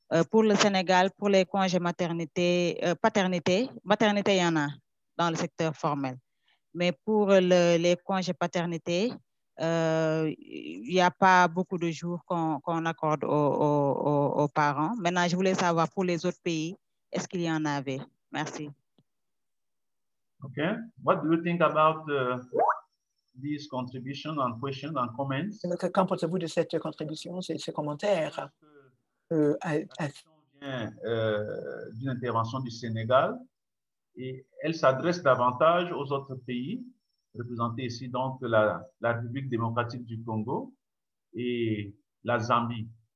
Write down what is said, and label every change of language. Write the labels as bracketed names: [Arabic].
[French] Pour le Sénégal, pour les congés maternité, il y en a dans le secteur formel. Mais pour les congés paternité, il n'y a pas beaucoup de jours qu'on accorde aux parents. Maintenant, je voulais savoir pour les autres pays, est-ce qu'il y en avait? Merci. OK. [English] What do you think about this contribution and questions and comments? [French] Qu'en pensez-vous de cette contribution, ces commentaires? D'une intervention du Sénégal et elle s'adresse davantage aux autres pays représentés ici, donc la République démocratique du Congo et la Zambie.